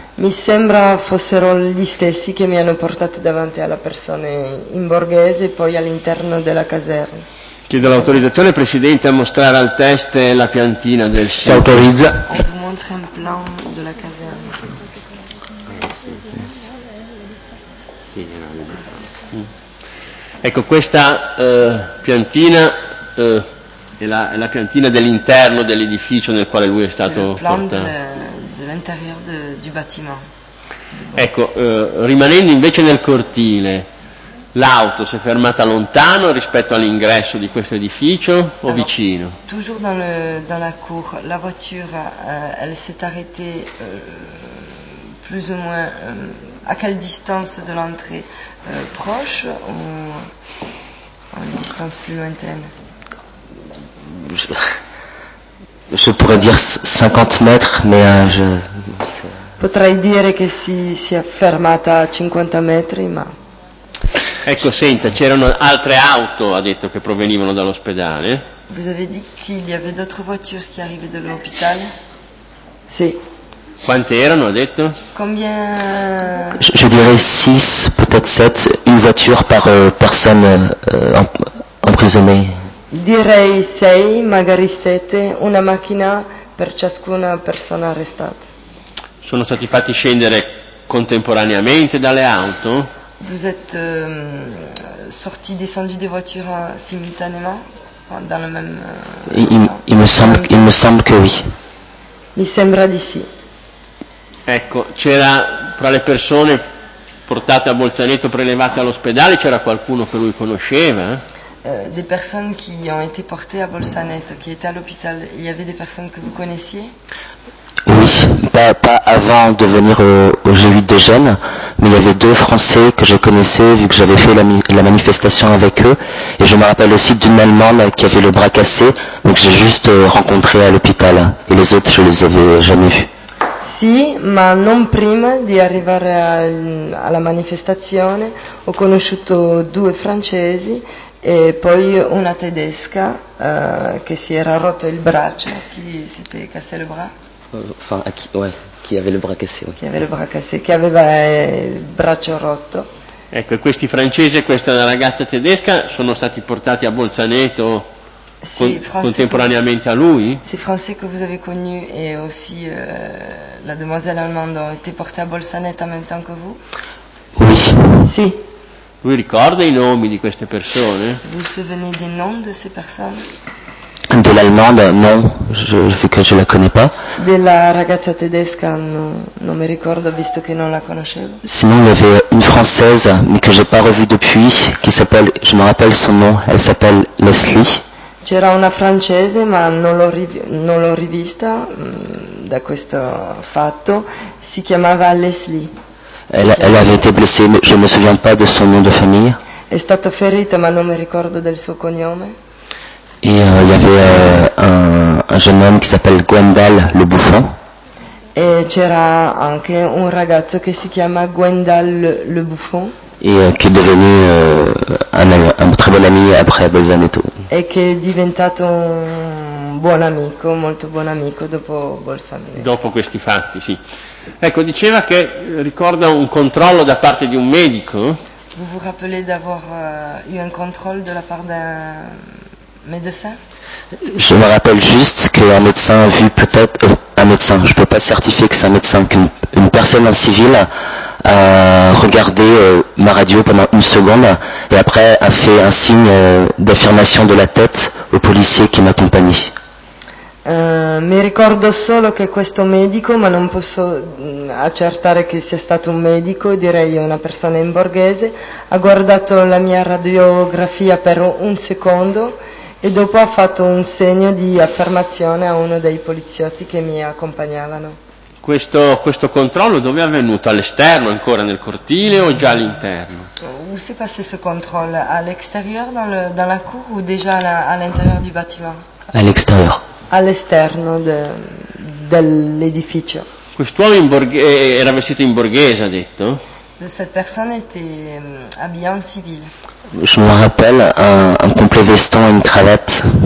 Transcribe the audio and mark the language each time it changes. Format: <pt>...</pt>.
<it>Mi sembra fossero gli stessi che mi hanno portato davanti alla persona in borghese e poi all'interno della caserma. Chiedo l'autorizzazione, Presidente, a mostrare al test la piantina del sito. Si autorizza.</it> <fr>On vous montre un plan de la caserne.</fr> <it>Ecco, questa piantina è la piantina dell'interno dell'edificio nel quale lui è stato portato.</it> <fr>L'intérieur du bâtiment.</fr> <it>Ecco, rimanendo invece nel cortile, l'auto si è fermata lontano rispetto all'ingresso di questo edificio o vicino?</it> <fr>Toujours dans la cour, la voiture elle s'est arrêtée plus ou moins à quelle distance de l'entrée, proche ou à une distance plus lointaine? Je pourrais dire 50 mètres, mais je</fr> <it>potrei dire che si è fermata a 50 metri, ma ecco, senta, c'erano altre auto, ha detto, che provenivano dall'ospedale.</it> <fr>Vous avez dit qu'il y avait d'autres voitures qui arrivaient de l'hôpital?</fr> <it>Sì. Quante erano, ha detto?</it> <fr>Combien? Je dirais 6, peut-être 7, une voiture par personne emprisonnée.</fr> <it>Direi 6, magari 7, una macchina per ciascuna persona arrestata. Sono stati fatti scendere contemporaneamente dalle auto?</it> <fr>Vous êtes sorti, descendu des voitures simultanément, dans le même. Il me semble que oui.</fr> <it>Mi sembra di sì. Ecco, c'era tra le persone portate a Bolzaneto, prelevate all'ospedale, c'era qualcuno che lui conosceva?</it> <fr>Des personnes qui ont été portées à Bolzaneto, qui étaient à l'hôpital, il y avait des personnes que vous connaissiez? Oui, pas avant de venir au G8 de Gênes, mais il y avait deux Français que je connaissais vu que j'avais fait la manifestation avec eux, et je me rappelle aussi d'une Allemande qui avait le bras cassé, mais que j'ai juste rencontré à l'hôpital, et les autres je les avais jamais vus.</fr> <it>Sì, ma non prima di arrivare alla manifestazione ho conosciuto due francesi e poi una tedesca che si era rotto il braccio, chi si è</it> <fr>cassé le bras? Enfin, qui avait le bras cassé. Qui avait le bras cassé, qui</fr> <it>aveva il braccio rotto. Ecco, questi francesi e questa ragazza tedesca sono stati portati a Bolzaneto contemporaneamente a lui?</it> <fr>Ces Français que vous avez connus et aussi la demoiselle allemande ont été portés à Bolzaneto en même temps que vous? Oui.</fr> <it>Si. Lui ricorda i nomi di queste persone?</it> <fr>Vous souvenez des noms de ces personnes? De l'allemande, non, je la connais pas.</fr> <it>Della ragazza tedesca non mi ricordo, visto che non la conoscevo.</it> <fr>Sinon il y avait une française, mais que j'ai pas revue depuis, qui s'appelle, je me rappelle son nom, elle s'appelle Leslie.</fr> <it>C'era una francese, ma non l'ho rivista da questo fatto, si chiamava Leslie.</it> <fr>Elle avait été blessée, mais je me souviens pas de son nom de famille.</fr> <it>È stata ferita, ma non mi ricordo del suo cognome.</it> <fr>Et il y avait un jeune homme qui s'appelle Gwendal le bouffon.</fr> <it>Et c'era anche un ragazzo che si chiama Gwendal le bouffon.</it> <fr>Et qui est devenu un très bon ami après Bolzaneto.</fr> <it>E che è diventato un buon amico, molto buon amico dopo Bolzaneto. Dopo questi fatti, sì. Ecco, diceva che ricorda un controllo da parte di un medico.</it> <fr>Vous vous rappelez d'avoir eu un contrôle de la part d'un médecin? Je me rappelle juste qu'un médecin a vu peut-être un médecin, je ne peux pas certifier que c'est un médecin, qu'une personne en civil a regardé ma radio pendant une seconde et après a fait un signe d'affirmation de la tête au policier qui m'accompagnait.</fr> <it>Mi ricordo solo che questo medico, ma non posso accertare che sia stato un medico, direi una persona in borghese, ha guardato la mia radiografia per un secondo e dopo ha fatto un segno di affermazione a uno dei poliziotti che mi accompagnavano. Questo controllo dove è avvenuto? All'esterno ancora nel cortile o già all'interno?</it> <fr>Où s'est passé ce contrôle? À l'extérieur dans la cour ou déjà à l'intérieur du bâtiment? À l'extérieur.</fr> <it>All'esterno dell'edificio. Quest'uomo era vestito in borghese, ha detto?</it> <fr>Cette personne était habillée en civil. Je me rappelle un complet veston et une cravate.</fr>